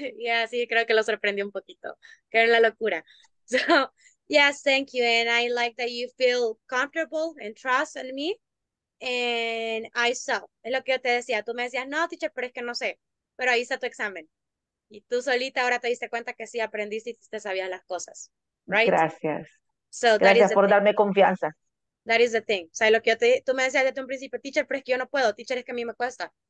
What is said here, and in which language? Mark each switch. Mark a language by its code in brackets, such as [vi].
[es] Yeah, sí, creo que lo sorprendió un poquito. Que era la locura. So, yes, thank you. [en] And I like that you feel comfortable and trust in me. [es] And I saw. Es lo que yo te decía. Tú me decías, no, teacher, pero es que no sé. Pero ahí está tu examen. Y tú solita ahora te diste cuenta que sí aprendiste y te sabías las cosas. [en] Right? [es] Gracias. So, gracias por darme confianza. [en] That is the thing. [es] O sea, lo que yo tú me decías desde un principio, teacher, pero es que yo no puedo. Teacher, es que a mí me cuesta.